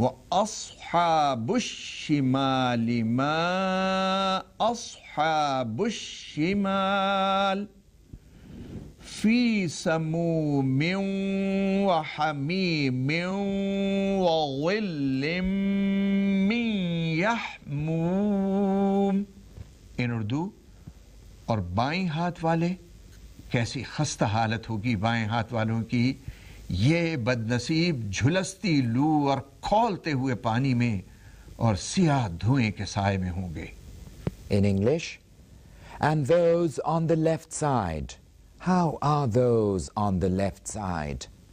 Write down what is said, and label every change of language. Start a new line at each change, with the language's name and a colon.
Arabic: وأصحاب الشمال ما أصحاب الشمال في سموم وحميم وظل من يحموم.
English: In Urdu,
Urdu: اور بائیں ہاتھ والے, کیسی خستہ حالت ہوگی بائیں ہاتھ والوں کی, یہ بدنصیب جھلستی لو اور کھولتے ہوئے پانی میں اور سیاہ دھوئیں کے سائے میں ہوں گے.
English: In English, and those on the left side, how are those on the left side?